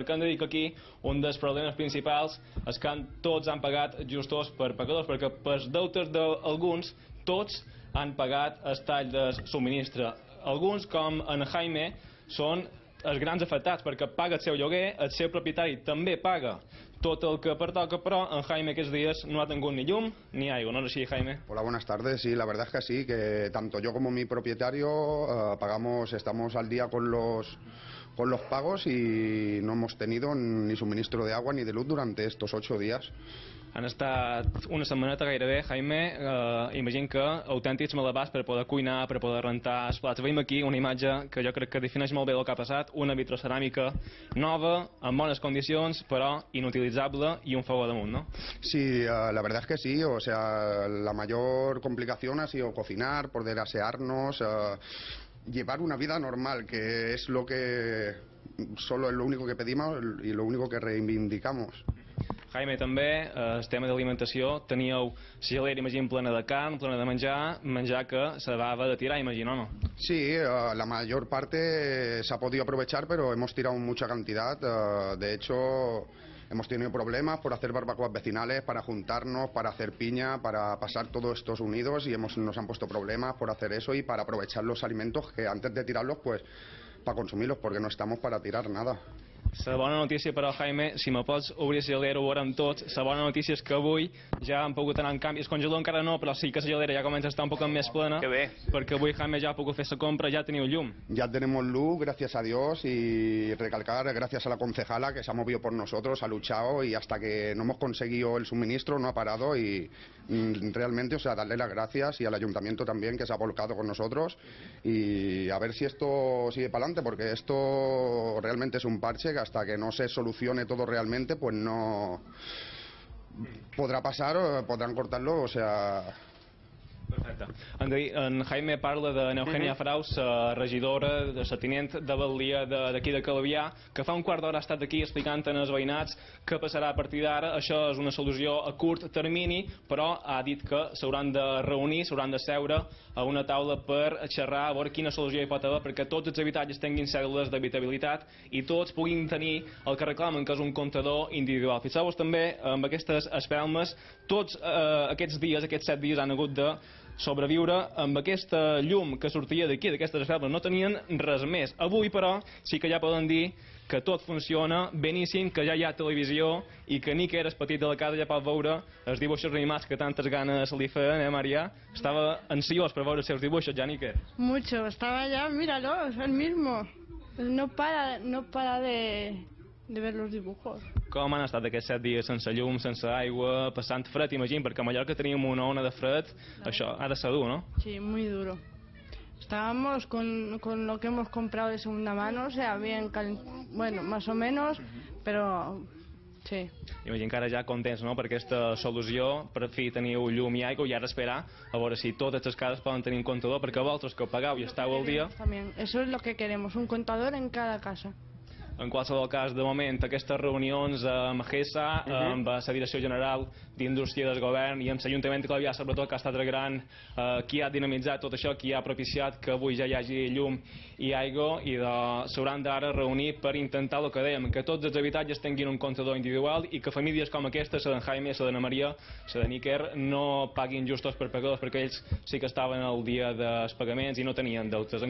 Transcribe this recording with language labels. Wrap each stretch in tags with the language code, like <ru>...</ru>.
<ca>Perquè hem de dir que aquí un dels problemes principals és que tots han pagat justos per pagadors, perquè pels deutes d'alguns tots han pagat el tall de subministre. Alguns, com en Jaime, són els grans afectats, perquè paga el seu lloguer, el seu propietari també paga tot el que pertoca, però en Jaime aquests dies no ha tingut ni llum ni aigua, no és així, Jaime?</ca> <es>Hola, buenas tardes. Sí, la verdad es que sí, que tanto yo como mi propietario pagamos, estamos al día con los pagos y no hemos tenido ni suministro de agua ni de luz durante estos 8 días.</es> <ca>Han estat una setmaneta gairebé, Jaime, imagino que autèntics malabars per poder cuinar, per poder rentar els plats. Veiem aquí una imatge que jo crec que defineix molt bé el que ha passat, una vitroceràmica nova, en bones condicions, però inutilitzable i un fuego damunt, no?</ca> <es>Sí, la verdad es que sí, o sea, la mayor complicación ha sido cocinar, poder asearnos, llevar una vida normal, que es lo que solo es lo único que pedimos y lo único que reivindicamos.</es> <ca>Jaime, també, el tema d'alimentació, teníeu la gelera, imagina, plena de carn, plena de menjar, menjar que s'havia de tirar, imagina, no? Sí, la major part s'ha pogut aprovechar, però hem tirat molta quantitat. De fet, hem tingut problemes per fer</ca> <es>barbacoas vecinales,</es> <ca>per juntar-nos, per fer pinya, per passar tots aquests units, i ens han posat problemes per fer això i per aprovechar els aliments que, abans de tirar-los, pues, per consumir-los, perquè no estem per tirar res. La bona notícia, però, Jaime, si me pots obrir la gelera, ho veurem tots. La bona notícia és que avui ja han pogut anar en canvi. El congelador encara no, però sí que la gelera ja comença a estar un poc més plena. Que bé. Perquè avui, Jaime, ja ha pogut fer la compra, ja teniu llum. Ja tenim llum, gràcies a</ca> <es>Dios, i recalcar gràcies a la concejala que s'ha movido por nosotros, ha luchado, i hasta que no hemos conseguido el suministro no ha parado, i realmente, o sea, darle las gracias y al ayuntamiento también que se ha volcado con nosotros, y a ver si esto sigue pa'lante, porque esto realmente es un parche que hasta que no se solucione todo realmente, pues no podrá pasar, podrán cortarlo, o sea,</es> <ca>Perfecte. En Jaime parla d'Eugènia Frau, regidora de la tinent de Batllia d'aquí de Calvià, que fa un quart d'hora ha estat aquí explicant en els veïnats què passarà a partir d'ara. Això és una solució a curt termini, però ha dit que s'hauran de reunir, s'hauran de seure a una taula per xerrar, a veure quina solució hi pot haver perquè tots els habitatges tinguin cèdules d'habitabilitat i tots puguin tenir el que reclamen, que és un comptador individual. Fixeu-vos també amb aquestes espelmes, tots aquests dies, aquests 7 dies, han hagut de sobreviure amb aquesta llum que sortia d'aquí, d'aquestes espelmes, no tenien res més. Avui, però, sí que ja poden dir que tot funciona beníssim, que ja hi ha televisió i que ni que eres petit de la casa ja pot veure els dibuixos animats que tantes ganes li feien, Maria? Estava ansiós per veure els seus dibuixos, ja, ni que?</ca> <es>Mucho,</es> <ca>estava allà,</ca> <es>míralo, és el mismo. No para de ver los dibujos.</es> <ca>Com han estat aquests 7 dies sense llum, sense aigua, passant fred, imagina, perquè a Mallorca teníem una ona de fred, això ha de ser dur, no?</ca> <es>Sí, muy duro. Estábamos con lo que hemos comprado de segunda mano, o sea, bien, bueno, más o menos, pero sí.</es> <ca>Imagina, encara ja contents, no?, per aquesta solució, per fi teniu llum i aigua i ara esperar a veure si totes les cases poden tenir un comptador, perquè vosaltres que ho pagueu i esteu al dia.</ca> <es>También, eso es lo que queremos, un comptador en cada casa.</es> <ca>En qualsevol cas, de moment, aquestes reunions amb GESA, amb la Direcció General d'Indústria del Govern i amb l'Ajuntament de Calvià, sobretot, que ha estat el gran, qui ha dinamitzat tot això, qui ha propiciat que avui ja hi hagi llum i aigua, i s'hauran d'ara reunir per intentar el que dèiem, que tots els habitatges tinguin un comptador individual i que famílies com aquesta, la d'en Jaime, la d'Anna Maria, la de Níquer, no paguin justos per pagadors, perquè ells sí que estaven al dia dels pagaments i no tenien deutes.</ca>